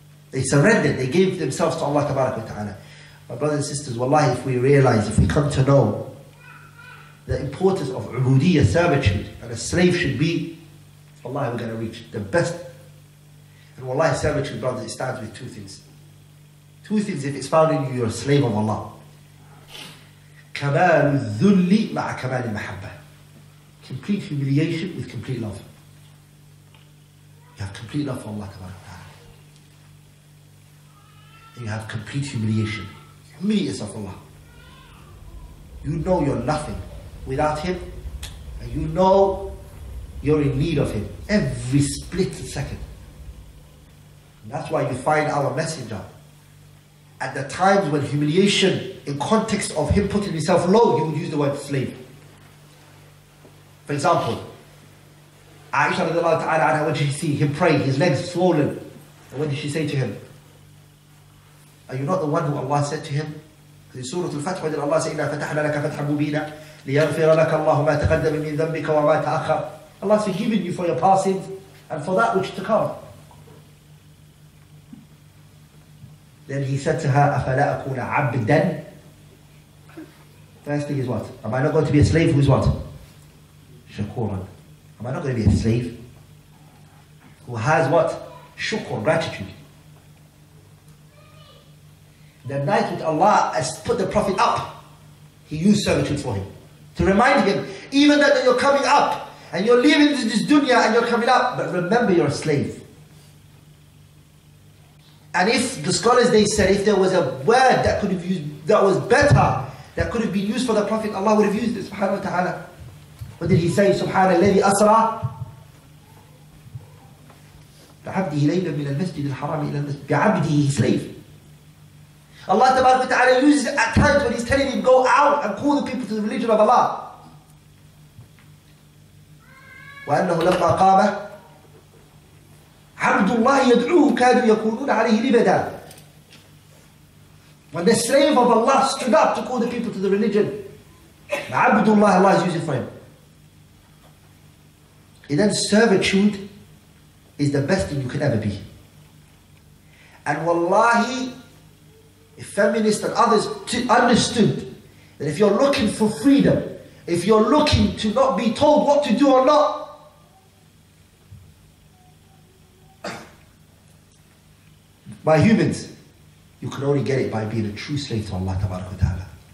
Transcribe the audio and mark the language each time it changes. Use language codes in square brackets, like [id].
[en] They surrendered, they gave themselves to Allah tabarak wa ta'ala. My brothers and sisters, wallahi, if we realize, if we come to know the importance of ubudiyya, servitude, and a slave should be, wallahi, we're going to reach the best. And wallahi, servitude, brothers, it stands with two things. Two things, if it's found in you, you're a slave of Allah. [ar] كمال الذل مع كمال المحبة. [en] Complete humiliation with complete love. You have complete love for Allah tabarak wa ta'ala. And you have complete humiliation. Humiliate yourself, Allah. You know you're nothing without Him. And you know you're in need of Him every split second. And that's why you find our messenger. At the times when humiliation, in context of him putting himself low, he would use the word slave. For example, Aisha radiallahu ta'ala anha, what did she see? Him pray, his legs swollen. And what did she say to him? Are you not the one who Allah said to him? In Surah Al-Fath, when Allah said, [ar] إِنَّا فَتَحْنَا لَكَ فَتْحًا مُبِينًا لِيَغْفِرَ لَكَ اللَّهُ مَا تَقَدَّمِ مِنْ ذَنْبِكَ وَمَا تَأَخَّرَ. [en] Allah has forgiven you for your past sins and for that which to come. Then he said to her, [ar] أَفَلَا أَكُونَ عَبْدًا. [en] First thing is what? Am I not going to be a slave? Who is what? شَكُورًا. Am I not going to be a slave who has what? Shukr, gratitude. The night with Allah has put the Prophet up, he used servitude for him. To remind him, even that you're coming up and you're leaving this dunya and you're coming up, but remember you're a slave. And if the scholars, they said, if there was a word that could have used, that was better, that could have been used for the Prophet, Allah would have used it, subhanahu wa ta'ala. What did he say? [ar] سبحان الذي أسرى بعبده ليلا من المسجد الحرام إلى المسجد بعبده. [en] He's slave. Allah تبارك وتعالى uses it at times when he's telling him go out and call the people to the religion of Allah. [ar] وأنه لما قام عبد الله يدعوه كادوا يكونون عليه لبدا. [en] When the slave of Allah stood up to call the people to the religion, عبد الله, Allah is using for him. Then servitude is the best thing you can ever be. And wallahi, if feminists and others understood that if you're looking for freedom, if you're looking to not be told what to do or not, by humans, you can only get it by being a true slave to Allah tabarak wa ta'ala.